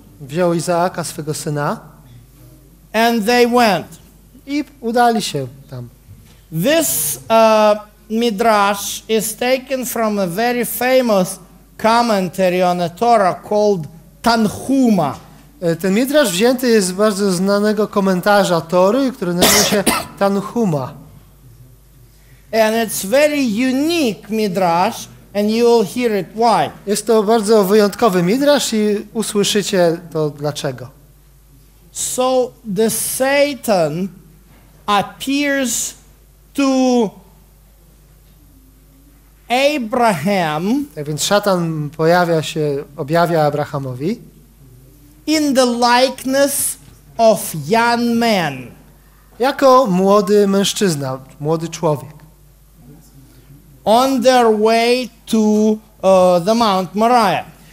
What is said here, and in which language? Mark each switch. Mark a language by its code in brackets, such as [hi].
[pl] Wziął Izaaka swego syna. [en] And they went. [pl] I udali się tam. [en] This midrash is taken from a very famous commentary on the Torah called Tanhuma. [pl] Ten midrasz wzięty jest z bardzo znanego komentarza Tory, który nazywa się Tanhuma. [en] And it's very unique midrash, and you will hear it why. [pl] Jest to bardzo wyjątkowy midrasz i usłyszycie to dlaczego. [en] So the Satan appears to Abraham. [pl] Tak więc szatan pojawia się, objawia Abrahamowi. [en] In the likeness of young man. [pl] Jako młody mężczyzna, młody człowiek. [en] On their way to the Mount Moriah.